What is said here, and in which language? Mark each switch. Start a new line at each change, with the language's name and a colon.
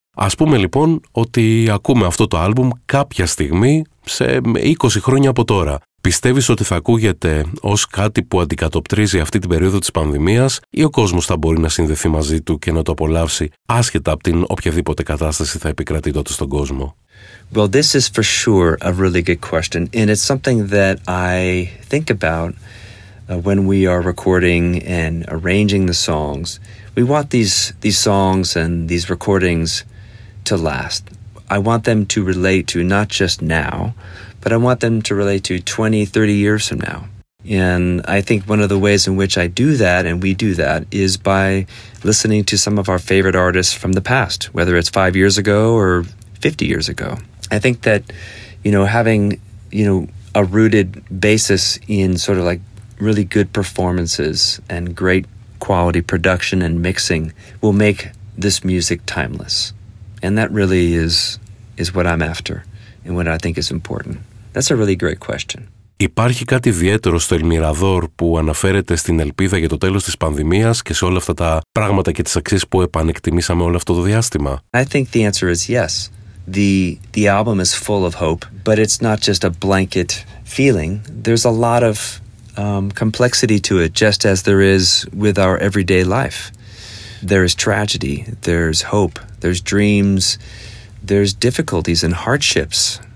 Greek: Ας πούμε λοιπόν ότι ακούμε αυτό το άλμπουμ κάποια στιγμή σε 20 χρόνια από τώρα. Πιστεύεις ότι θα ακούγεται ως κάτι που αντικατοπτρίζει αυτή την περίοδο της πανδημίας ή ο κόσμος θα μπορεί να συνδεθεί μαζί του και να το απολαύσει άσχετα από την οποιαδήποτε κατάσταση θα επικρατεί τότε στον κόσμο?
English: Well, this is for sure a really good question and it's something that I think about when we are recording and arranging the songs. We want these songs and these recordings to last. I want them to relate to not just now, but I want them to relate to 20, 30 years from now. And I think one of the ways in which I do that, and we do that, is by listening to some of our favorite artists from the past, whether it's 5 years ago or 50 years ago. I think that, you know, having, you know, a rooted basis in sort of like really good performances and great quality production and mixing will make this music timeless. And that really is what I'm after and what I think is important. That's a really great question.
Greek: Υπάρχει κάτι ιδιαίτερο στο El Mirador που αναφέρεται στην ελπίδα για το τέλος της πανδημίας και σε όλα αυτά τα πράγματα και τις αξίες που επανεκτιμήσαμε όλο αυτό το διάστημα?
English: I think the answer is yes. The album is full of hope, but it's not just a blanket feeling. There's a lot of complexity to it, just as there is with our everyday life. There is tragedy, there's hope, there's dreams, there's difficulties and hardships.